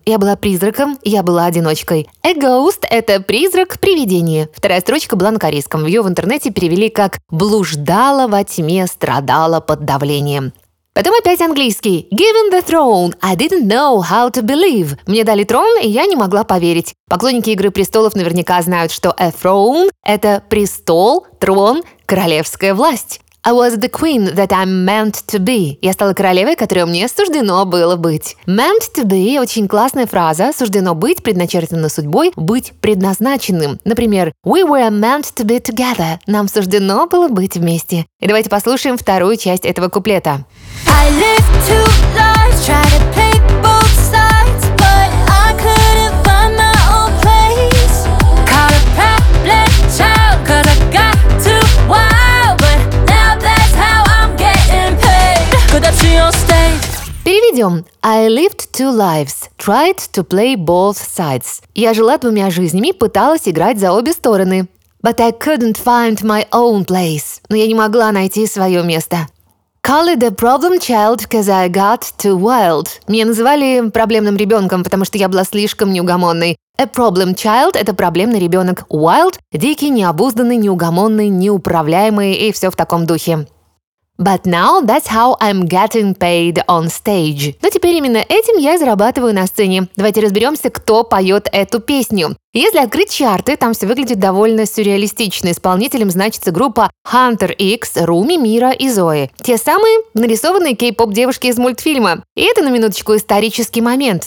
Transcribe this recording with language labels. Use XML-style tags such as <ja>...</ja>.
<ru>Я была призраком, я была одиночкой. A ghost – это призрак, привидение. Вторая строчка была на корейском. Ее в интернете перевели как «блуждала во тьме, страдала под давлением». Потом опять английский.</ru> <en>Given the throne, I didn't know how to believe.</en> <ru>Мне дали трон, и я не могла поверить. Поклонники «Игры престолов» наверняка знают, что a throne – это престол, трон, королевская власть.</ru> <en>I was the queen that I'm meant to be.</en> <ru>Я стала королевой, которой мне суждено было быть. Meant to be – очень классная фраза. Суждено быть, предначертано судьбой, быть предназначенным.</ru> <en>Например, we were meant to be together.</en> <ru>Нам суждено было быть вместе. И давайте послушаем вторую часть этого куплета.</ru> <en>I live two lives, try to play both sides, but I couldn't find my own place. Caught a problem child, cause I got too wild, but now that's how I'm getting paid. Could that be your state?</en> <ru>Переведем.</ru> <en>I lived two lives, tried to play both sides.</en> <ru>Я жила двумя жизнями, пыталась играть за обе стороны.</ru> <en>But I couldn't find my own place.</en> <ru>Но я не могла найти свое место.</ru> <en>Call it a problem child, cause I got too wild.</en> <ru>Меня называли проблемным ребенком, потому что я была слишком неугомонной. A problem child – это проблемный ребенок. Wild – дикий, необузданный, неугомонный, неуправляемый и все в таком духе.</ru> <en>But now that's how I'm getting paid on stage.</en> <ru>Но теперь именно этим я и зарабатываю на сцене. Давайте разберемся, кто поет эту песню. Если открыть чарты, там все выглядит довольно сюрреалистично. Исполнителем значится группа Hunter X, Руми, Мира и Зои. Те самые нарисованные кей-поп-девушки из мультфильма. И это, на минуточку, исторический момент.</ru>